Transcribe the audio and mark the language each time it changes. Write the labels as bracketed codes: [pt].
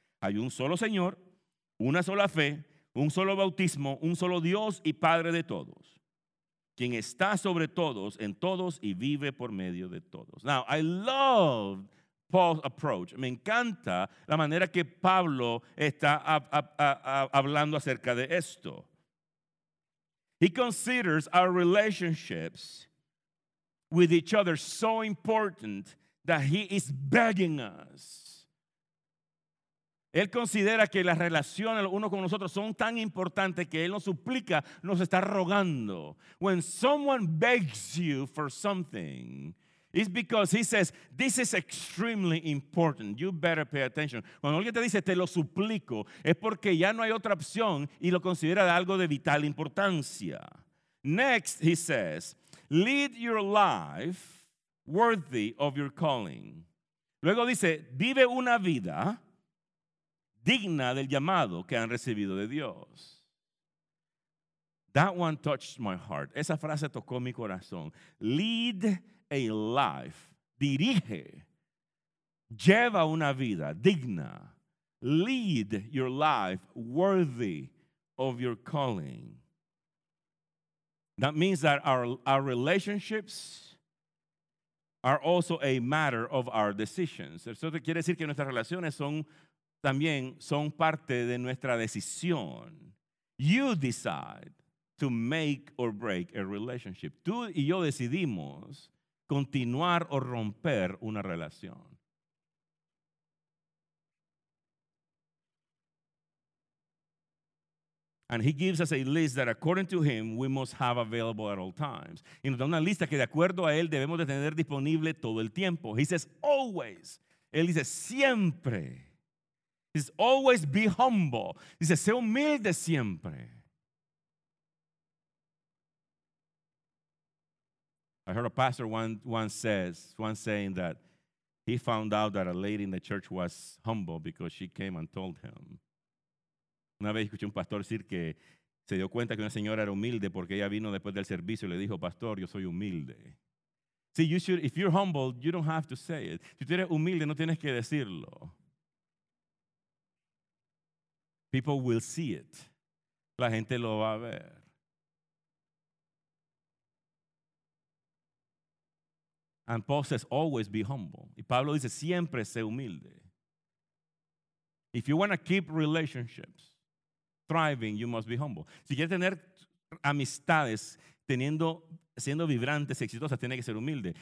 [es] Hay un solo Señor, una sola fe, un solo bautismo, un solo Dios y Padre de todos, quien está sobre todos, en todos y vive por medio de todos. [en] Now, I love Paul's approach. [es] Me encanta la manera que Pablo está hablando acerca de esto. [en] He considers our relationships with each other so important that he is begging us. [es] Él considera que las relaciones uno con nosotros son tan importantes que él nos suplica, nos está rogando. [en] When someone begs you for something, it's because he says, this is extremely important. You better pay attention. [es] Cuando alguien te dice, te lo suplico, es porque ya no hay otra opción y lo considera algo de vital importancia. [en] Next, he says, lead your life worthy of your calling. [es] Luego dice, vive una vida digna del llamado que han recibido de Dios. [en] That one touched my heart. [es] Esa frase tocó mi corazón. [en] Lead a life. [es] Dirige. Lleva una vida digna. [en] Lead your life worthy of your calling. That means that our relationships are also a matter of our decisions. [es] Eso quiere decir que nuestras relaciones son también son parte de nuestra decisión. [en] You decide to make or break a relationship. [es] Tú y yo decidimos continuar o romper una relación. [en] And he gives us a list that according to him we must have available at all times. [es] Y nos da una lista que de acuerdo a él debemos de tener disponible todo el tiempo. [en] He says always. [es] Él dice siempre. [en] Is always be humble. [es] Dice, sé humilde siempre. [en] I heard a pastor once saying that he found out that a lady in the church was humble because she came and told him. [es] Una vez escuché un pastor decir que se dio cuenta que una señora era humilde porque ella vino después del servicio y le dijo, pastor, yo soy humilde. [en] See, you should, if you're humble, you don't have to say it. [es] Si tú eres humilde, no tienes que decirlo. [en] People will see it. [es] La gente lo va a ver. [en] And Paul says, always be humble. [es] Y Pablo dice, siempre sé humilde. [en] If you want to keep relationships thriving, you must be humble. [es] Si quieres tener amistades siendo vibrantes y exitosas, tiene que ser humilde.